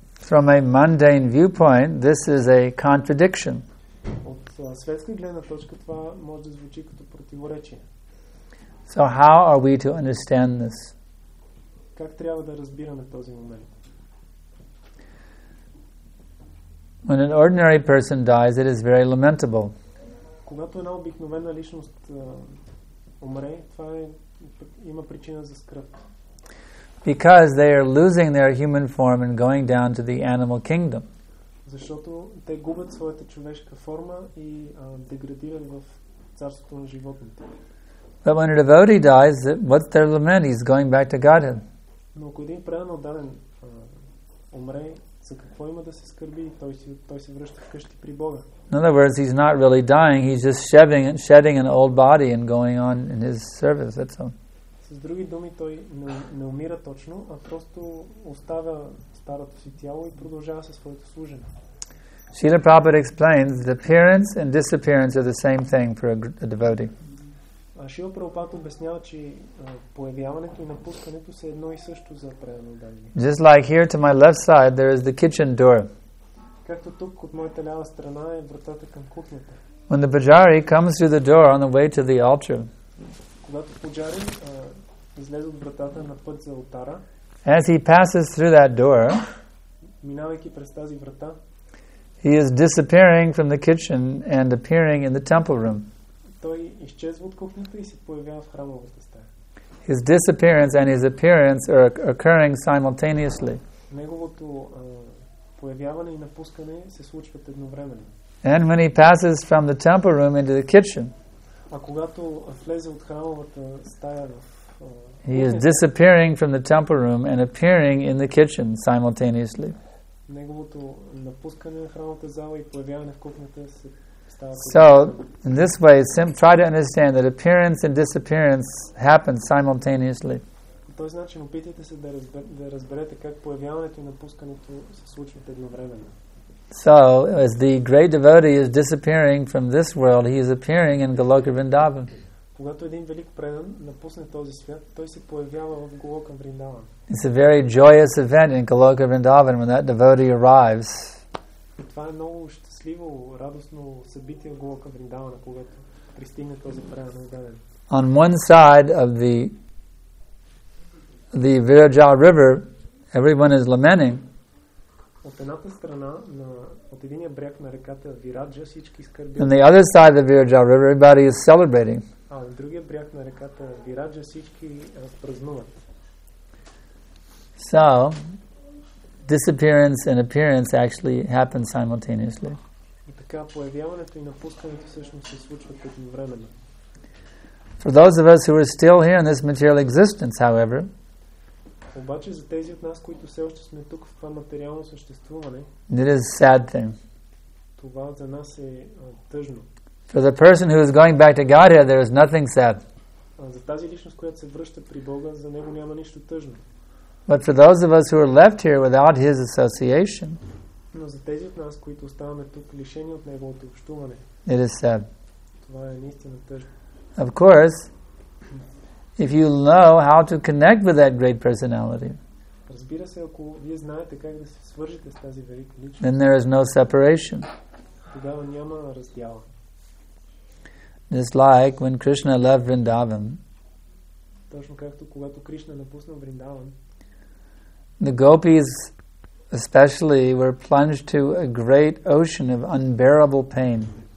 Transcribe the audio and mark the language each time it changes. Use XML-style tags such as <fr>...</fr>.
<en>From a mundane viewpoint, this is a contradiction.</en> <bg>От светска гледна точка това може да звучи като противоречие.</bg> <en>So how are we to understand this?</en> <bg>Как трябва да разбираме този момент?</bg> <en>When an ordinary person dies, it is very lamentable.</en> <bg>Когато една обикновена личност умре, това има причина за скръб.</bg> <en>Because they are losing their human form and going down to the animal kingdom.</en> <bg>Защото те губят своята човешка форма и деградират в царството на животните.</bg> <en>But when a devotee dies, what's their lament? He's going back to Godhead.</en> <bg>Но ако един преданно даден умре, за какво има да се скърби? Той се връща вкъщи при Бога.</bg> <en>In other words, he's not really dying, he's just shedding an old body and going on in his service, that's all.</en> <bg>С други думи, той не умира точно, а просто оставя старото си тяло и продължава със своето служене.</bg> <en>Srila Prabhupada explains that appearance and disappearance are the same thing for a devotee.</en> <bg>Srila Prabhupada обяснява, че появяването и напускането са едно и също за определено даяние.</bg> <en>Just like here to my left side, there is the kitchen door.</en> <bg>Както тук от моята лява страна е вратата към кухнята.</bg> <en>When the pujari comes through the door on the way to the altar.</en> <bg>Когато пуджари излезе от вратата на път за алтара.</bg> <en>As he passes through that door,</en> <bg>минавайки през тази врата,</bg> <en>he is disappearing from the kitchen and appearing in the temple room.</en> <bg>Той изчезва от кухнята и се появява в храмовата стая.</bg> <en>His disappearance and his appearance are occurring simultaneously.</en> <bg>Неговото появяване и напускане се случват едновременно.</bg> <en>And when he passes from the temple room into the kitchen,</en> <bg>а когато влезе от храмовата стая в</bg> <en>he is disappearing from the temple room and appearing in the kitchen simultaneously.</en> <bg>Неговото напускане на храмовата зала и появяване в кухнята се става.</bg> <en>So, in this way, try to understand that appearance and disappearance happen simultaneously.</en> <bg>По този начин опитайте се да разберете как появяването и напускането се случват едновременно.</bg> <en>So, as the great devotee is disappearing from this world, he is appearing in Goloka Vrindavan.</en> <bg>Когато един велик предан напусне този свят, той се появява в Голока Вриндаван.</bg> <en>It's a very joyous event in Goloka Vrindavan when that devotee arrives.</en> <bg>И това е много щастливо, радостно събитие в Голока Вриндавана, когато пристигне този предан даден.</bg> <en>On one side of the Viraja River, everyone is lamenting.</en> <bg>От едната страна от единия бряг на реката Вираджа всички скърбят.</bg> <en>On the other side of the Viraja River, everybody is celebrating.</en> <bg>А на другия бряг на реката Вираджа всички празнуват.</bg> <en>So, disappearance and appearance actually happen simultaneously.</en> <bg>И така появяването и напускането всъщност се случват едновременно.</bg> <en>For those of us who are still here in this material existence, however,</en> <bg>обаче за тези от нас, които все още сме тук в това материално съществуване,</bg> <en>it is a sad thing.</en> <bg>Това за нас е тъжно.</bg> <en>For the person who is going back to Godhead, there is nothing sad.</en> <bg>За тази личност, която се връща при Бога, за него няма нищо тъжно.</bg> <en>But for those of us who are left here without his association,</en> <bg>но за тези от нас, които оставаме тук лишени от неговото общуване,</bg> <en>it is sad.</en> <bg>Това е наистина тъжно.</bg> <en>Of course, if you know how to connect with that great personality,</en> <bg>разбира се, ако вие знаете как да се свържете с тази велика личност,</bg> <en>then there is no separation.</en> <bg>Тогава няма раздяла.</bg> <en>Just like when Krishna left Vrindavan.</en> <bg>Точно както когато Кришна напусна Вриндаван.</bg> <en>The gopis especially were plunged to a great ocean of unbearable pain.</en>